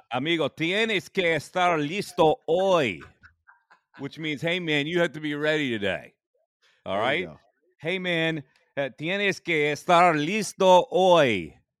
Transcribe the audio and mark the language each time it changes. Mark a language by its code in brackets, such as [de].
[es] Amigo, tienes que estar listo hoy. [en] Which means, hey, man, you have to be ready today. All right? Hey, man, [es] tienes que estar listo hoy.